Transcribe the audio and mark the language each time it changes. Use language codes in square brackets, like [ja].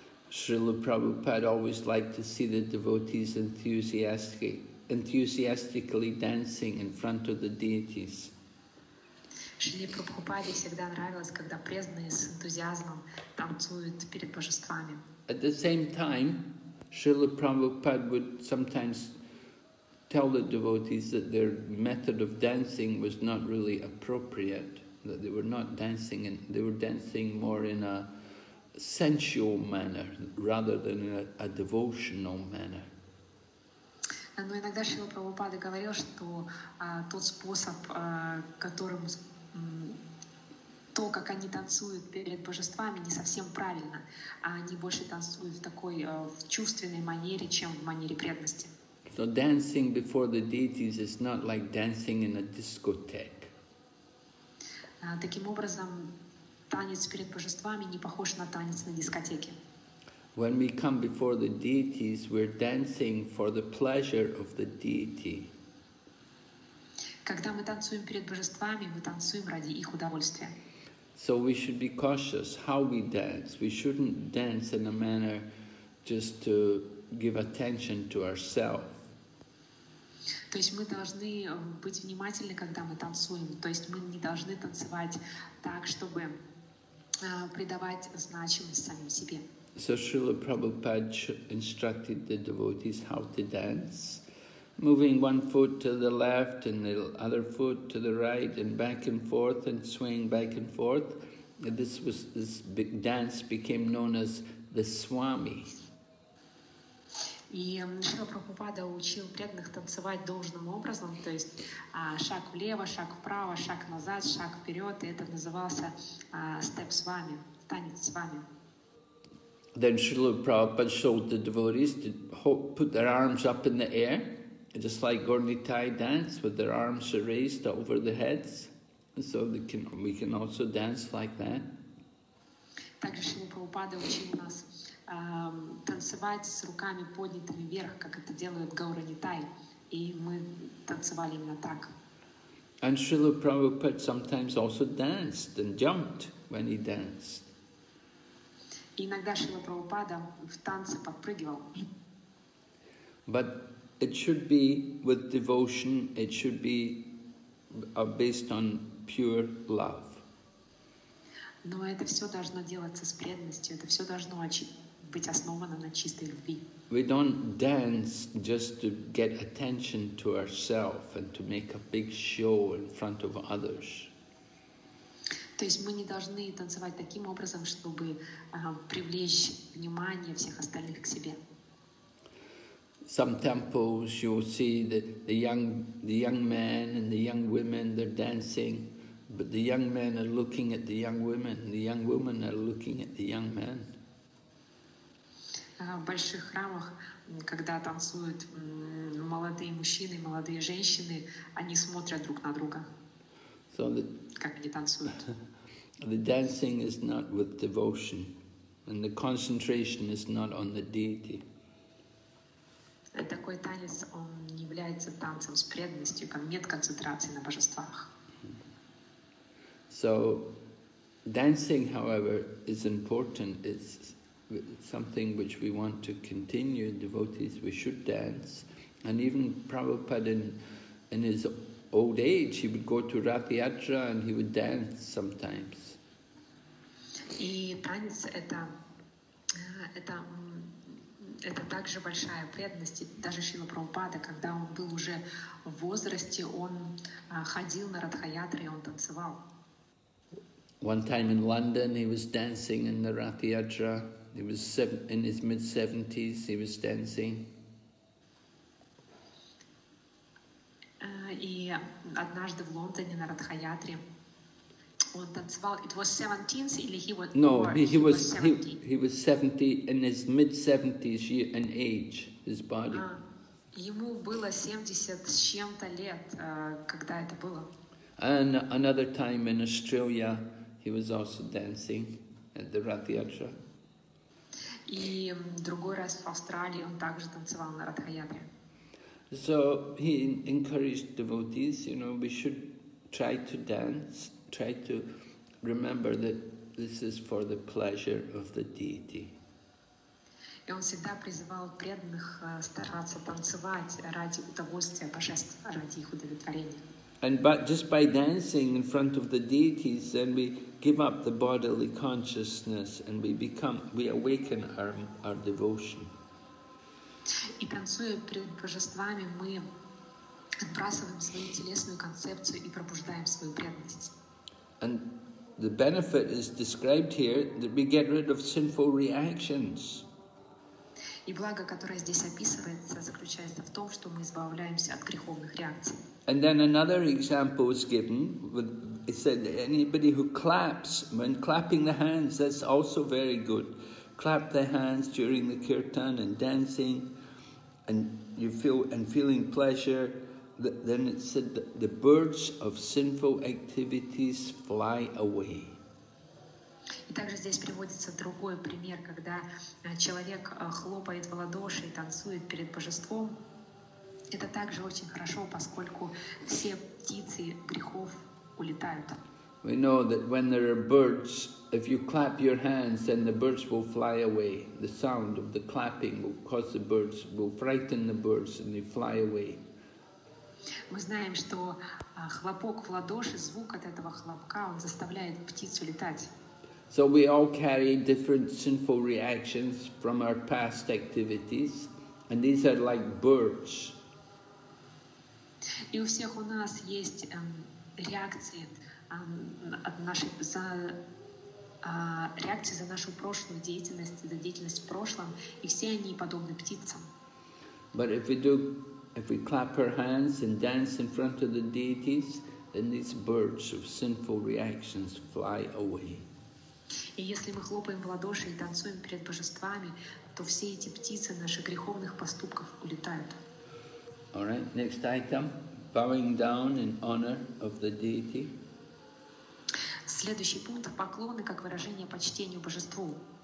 [en] Шрила Прабхупада always liked to see the devotees enthusiastically dancing in front of the deities. [ru] Шриле Прабхупаде всегда нравилось, когда преданные с энтузиазмом танцуют перед божествами. [en] At the same time, Srila Prabhupada would sometimes tell the devotees that their method of dancing was not really appropriate, that they were not dancing, and they were dancing more in a sensual manner rather than in a devotional manner. [ru] Но иногда Шрила Прабхупада говорил, что тот способ, которым то, как они танцуют перед божествами, не совсем правильно. Они больше танцуют в такой в чувственной манере, чем в манере преданности. [en] So dancing before the deities is not like dancing in a discotheque. [ru] Таким образом, танец перед божествами не похож на танец на дискотеке. [en] When we come before the deities, we're dancing for the pleasure of the deity. [ru] Когда мы танцуем перед божествами, мы танцуем ради их удовольствия. [en] So we should be cautious how we dance. We shouldn't dance in a manner just to give attention to ourselves. [ru] То есть мы должны быть внимательны, когда мы танцуем. То есть мы не должны танцевать так, чтобы придавать значимость самим себе. [en] So Srila Prabhupada instructed the devotees how to dance, moving one foot to the left and the other foot to the right and back and forth and swing back and forth. This big dance became known as the Swami. [ru] И Шрила Прабхупада учил преданных танцевать должным образом, то есть шаг влево, шаг вправо, шаг назад, шаг вперед, и это назывался [en] step Swami, [ru] танец Swami. [en] Then Шрила Прабхупада showed the devotees to put their arms up in the air, just like Gornitai dance, with their arms raised over their heads, so we can also dance like that. [ru] Также Шрила Прабхупада учил нас танцевать с руками поднятыми вверх, как это делают Гауранитай, и мы танцевали именно так. [en] And Srila Prabhupada sometimes also danced and jumped when he danced. [ru] И иногда Шрила Прабхупада в танце подпрыгивал. [en] But it should be with devotion, it should be based on pure love. [ru] Но это все должно делаться с преданностью, это все должно быть основано на чистой любви. [en] We don't dance just to get attention to ourselves and to make a big show in front of others. [ru] То есть мы не должны танцевать таким образом, чтобы привлечь внимание всех остальных к себе. [en] some temples, you will see the young men and the young women, they're dancing, but the young men are looking at the young women, and the young women are looking at the young men. [ru] В больших храмах, когда танцуют молодые мужчины, молодые женщины, они смотрят друг на друга, как они танцуют. [en] The dancing is not with devotion, and the concentration is not on the deity. [ru] Такой танец, он не является танцем с преданностью, как нет концентрации на божествах. [en] So, dancing, however, is important. It's something which we want to continue. Devotees, we should dance. And even Prabhupada, in his old age, he would go to Rath Yatra and he would dance sometimes. [ru] И танец это также большая преданность. Даже Шрила Прабхупада, когда он был уже в возрасте, он ходил на Ратха Ятру и он танцевал. [en] One time in London he was dancing in the Ratha Yatra. He was in his mid 70s, he was dancing. [ru] И однажды в Лондоне на Ратха Ятре он танцевал. [en] It was 17s [ru] или [en] he was No, he was 70 in his mid 70s year in age, his body. [ru] Ему было 70 с чем-то лет, когда это было. [en] And another time in Australia he was also dancing at the Ratha Yatra. [ru] И другой раз в Австралии он также танцевал на Ратха Ятре. [en] So he encouraged devotees, you know, we should try to dance, try to remember that this is for the pleasure of the deity. [ru] И он всегда призывал преданных стараться танцевать ради удовольствия божеств, ради их удовлетворения. [en] And but just by dancing in front of the deities, then we give up the bodily consciousness and we awaken our devotion. [ru] И танцуя перед божествами, мы отбрасываем свою телесную концепцию и пробуждаем свою преданность. [en] And the benefit is described here that we get rid of sinful reactions. [ru] И благо, которое здесь описывается, заключается в том, что мы избавляемся от греховных реакций. [en] And then another example is given. He said, anybody who claps, when clapping the hands, that's also very good. Clap the hands during the kirtan and dancing, and you feel and feeling pleasure. Then it said that the birds of sinful activities fly away. [ru] И также здесь приводится другой пример, когда человек хлопает в ладоши и танцует перед божеством. Это также очень хорошо, поскольку все птицы грехов улетают. [en] We know that when there are birds, if you clap your hands, then the birds will fly away. The sound of the clapping will cause the birds, will frighten the birds, and they fly away. [ru] Мы знаем, что хлопок в ладоши, звук от этого хлопка, он заставляет птиц улетать. [en] So we all carry different sinful reactions from our past activities, and these are like birds. [ru] И у всех у нас есть реакции от нашей реакции за нашу прошлую деятельность, за деятельность в прошлом, и все они подобны птицам. [en] But if we clap our hands and dance in front of the deities, then these birds of sinful reactions fly away. [ru] И если мы хлопаем в ладоши и танцуем перед божествами, то все эти птицы наших греховных поступков улетают. [en] All right, next item. Bowing down in honor of the deity. [ru] Следующий пункт – поклоны как выражение почтения божеству.